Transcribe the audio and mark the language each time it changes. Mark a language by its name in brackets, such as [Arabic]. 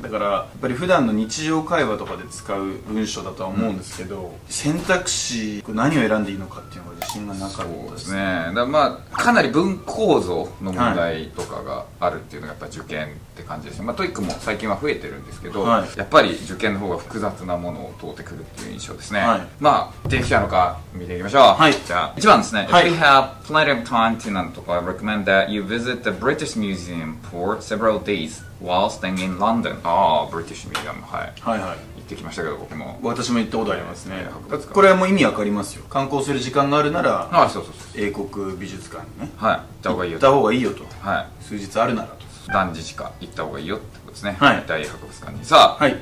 [Japanese] だからやっぱり普段の日常会話とかで使う文章だとは思うんですけど、うん、選択肢何を選んでいいのかっていうのが自信がなかったですね。そうですね、だからまあかなり文構造の問題とかがあるっていうのがやっぱ受験って感じですね。まあ、トイックも最近は増えてるんですけど、はい、やっぱり受験の方が複雑なものを通ってくるっていう印象ですね。はい、まあ、できたのか見ていきましょう。はい、じゃあ1番ですね。はい、 [English] If you have plenty of time to なんとか I recommend that you visit the British Museum for several days while staying in London. [Japanese] ああ、British Museum、はい、はいはい、行ってきましたけど、僕も私も行ったことありますね。これはもう意味わかりますよ。観光する時間があるなら、ああ、そうそうそう、英国美術館にね、はい、行った方がいいよ、行った方がいいよと、はい、数日あるならと、何時しか行った方がいいよってことですね。はい、大博物館に。さあ、はい、